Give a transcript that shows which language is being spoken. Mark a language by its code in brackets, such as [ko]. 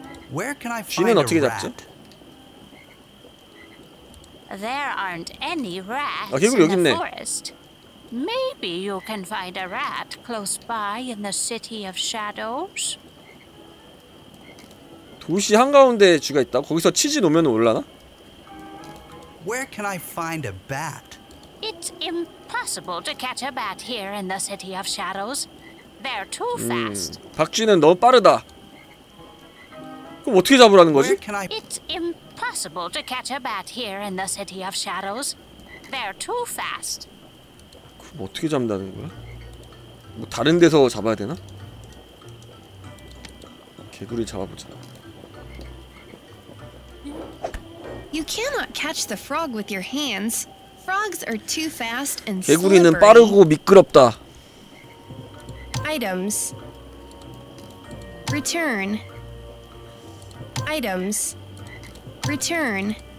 [en] Where can I find [ko] 쥐는 어떻게 잡지? [en] There aren't any rats [ko] 개구리 여기 있네. [en] Maybe you can find a rat close by in the city of shadows. [ko] 도시 한가운데 쥐가 있다. 거기서 치즈 놓으면 올라나? [en] Where can I find a bat? It's impossible to catch a bat here in the city of shadows. They're too fast. [ko] 박쥐는 너무 빠르다. 그럼 어떻게 잡으라는 거지? [en] It's impossible to catch a bat here in the city of shadows. They're too fast. [ko] 그럼 어떻게 잡는다는 거야? 뭐 다른 데서 잡아야 되나? 개구리 잡아보자. [en] You cannot catch the frog with your hands. Frogs are too fast and slippery. [ko] 개구리는 빠르고 미끄럽다. [en] Items. Return. Items. Return.